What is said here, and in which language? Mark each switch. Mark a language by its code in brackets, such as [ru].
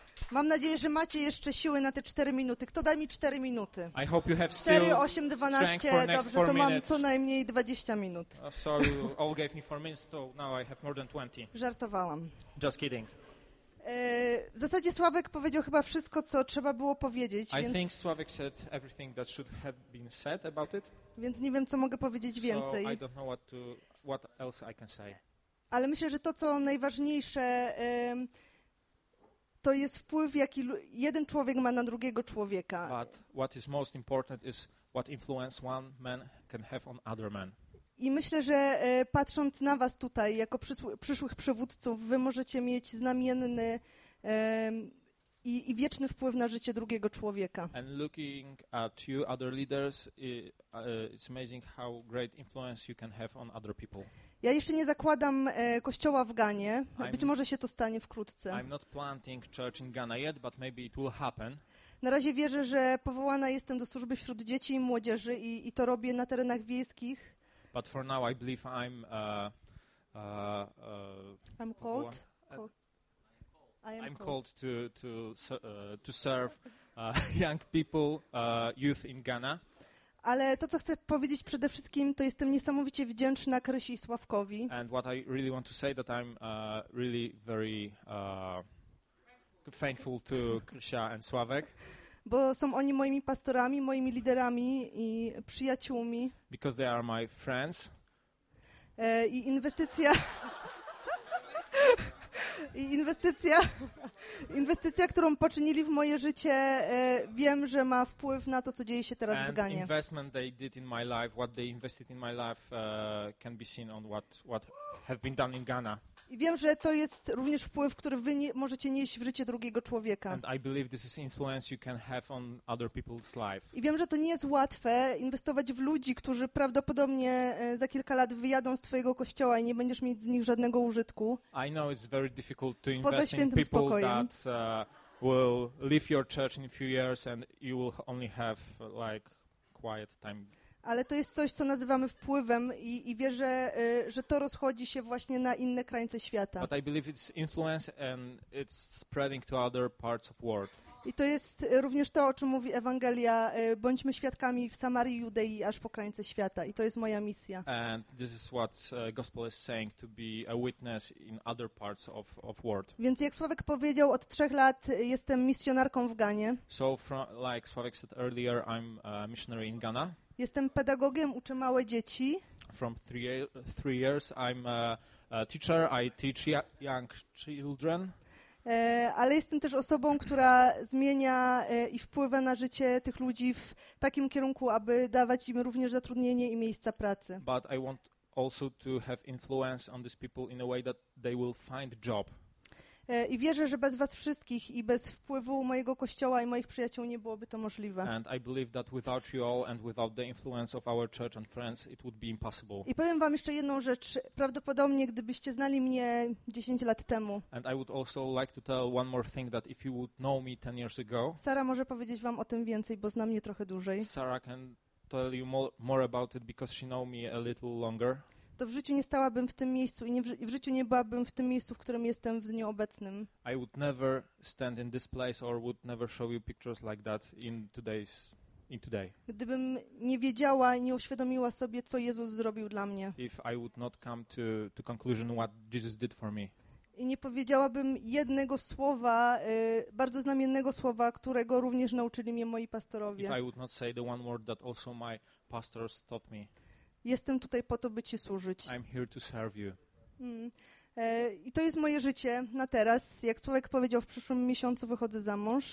[pl] Mam nadzieję, że macie jeszcze siły na te 4 minuty. Kto da mi 4 minuty? [en] I hope you have still 4, 8, 12, [pl] dobrze, to mam co najmniej 20 minut. [en] Sorry, you all gave me 4 minutes, so now I have more than 20. [pl] Żartowałam. [en] Just kidding. [pl] W zasadzie Sławek powiedział chyba wszystko, co trzeba było powiedzieć. [en] I think Sławek said everything that should have been said about it. [pl] Więc nie wiem, co mogę powiedzieć więcej. [en] So I don't know what else I can say. [pl] Ale myślę, że to, co najważniejsze, to jest wpływ, jaki jeden człowiek ma na drugiego człowieka. [en] But what is most important is what influence one man can have on other men. [pl] I myślę, że patrząc na was tutaj, jako przyszłych przywódców, wy możecie mieć znamienny i wieczny wpływ na życie drugiego człowieka. [en] And looking at you, other leaders, it's amazing how great influence you can have on other people. [pl] Ja jeszcze nie zakładam kościoła w Ganie. Być może się to stanie wkrótce. [en] I'm not planting church in Ghana yet, but maybe it will happen. [pl] Na razie wierzę, że powołana jestem do służby wśród dzieci i młodzieży i to robię na terenach wiejskich. [en] But for now I believe I'm I'm called. I'm called to serve young people, youth in Ghana. [pl] Ale to, co chcę powiedzieć przede wszystkim, to jestem niesamowicie wdzięczna Krysi i Sławkowi. [en] And what I really want to say, that I'm really very thankful to Krysia and Sławek. [pl] Bo są oni moimi pastorami, moimi liderami i przyjaciółmi. [en] Because they are my friends. [pl] I inwestycja... Inwestycja, którą poczynili w moje życie, wiem, że ma wpływ na to, co dzieje się teraz [en] and [pl] w Ganie. [en] Investment they did in my life, what they invested in my life can be seen on what have been done in Ghana. [pl] I wiem, że to jest również wpływ, który wy możecie nieść w życie drugiego człowieka. [en] And I believe this is influence you can have on other people's life. [pl] I wiem, że to nie jest łatwe inwestować w ludzi, którzy prawdopodobnie za kilka lat wyjadą z twojego kościoła i nie będziesz mieć z nich żadnego użytku. [en] I know it's very difficult to invest in people that will leave your church in a few years and you will only have like quiet time. [pl] Ale to jest coś, co nazywamy wpływem i wierzę, że to rozchodzi się właśnie na inne krańce świata. [en] But I believe it's influence and it's spreading to other parts of world. [pl] I to jest również to, o czym mówi Ewangelia. Bądźmy świadkami w Samarii, Judei, aż po krańce świata. I to jest moja misja. [en] And this is what gospel is saying, to be a witness in other parts of world. [pl] Więc jak Sławek powiedział, od 3 lat jestem misjonarką w Ganie. [en] So from, like Sławek said earlier, I'm a missionary in Ghana. [pl] Jestem pedagogiem, uczę małe dzieci. [en] From three years, I'm a teacher. I teach young children. [pl] Ale jestem też osobą, która zmienia i wpływa na życie tych ludzi w takim kierunku, aby dawać im również zatrudnienie i miejsca pracy. [en] But I want also to have influence on these people in a way that they will find job. [pl] I wierzę, że bez was wszystkich i bez wpływu mojego kościoła i moich przyjaciół nie byłoby to możliwe. [en] And I believe that without you all and without the influence of our church and friends it would be impossible. [pl] I powiem wam jeszcze jedną rzecz. Prawdopodobnie gdybyście znali mnie 10 lat temu. [en] And I would also like to tell one more thing that if you would know me 10 years ago. [pl] Sara może powiedzieć wam o tym więcej, bo zna mnie trochę dłużej. [en] Sarah can tell you more about it because she knows me a little longer. [pl] To w życiu nie stałabym w tym miejscu i w życiu nie byłabym w tym miejscu, w którym jestem w dniu obecnym. [en] I would never stand in this place or would never show you pictures like that in today. [pl] Gdybym nie wiedziała i nie uświadomiła sobie, co Jezus zrobił dla mnie. [en] If I would not come to conclusion what Jesus did for me. [pl] I nie powiedziałabym jednego słowa, bardzo znamiennego słowa, którego również nauczyli mnie moi pastorowie. [en] If I would not say the one word that also my pastors taught me. [pl] Jestem tutaj po to, by ci służyć. [en] I'm here to serve you. [pl] I to jest moje życie na teraz. Jak Sławek powiedział, w przyszłym miesiącu wychodzę za mąż.